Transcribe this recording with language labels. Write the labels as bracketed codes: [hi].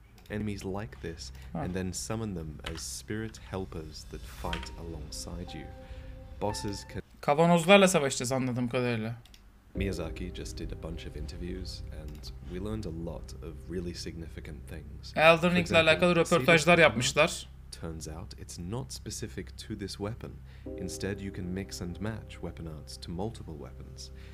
[en] Enemies like this, and then summon them as spirit helpers that fight alongside you. Bosses can. [tr] Kavanozlarla savaşacağız anladığım kadarıyla. [en] Miyazaki just did a bunch of interviews, and we learned a lot of really significant things. [tr] Elden Ring'le alakalı röportajlar yapmışlar. [en] Turns out it's not specific to this weapon. Instead, you can mix and match weapon arts to multiple weapons.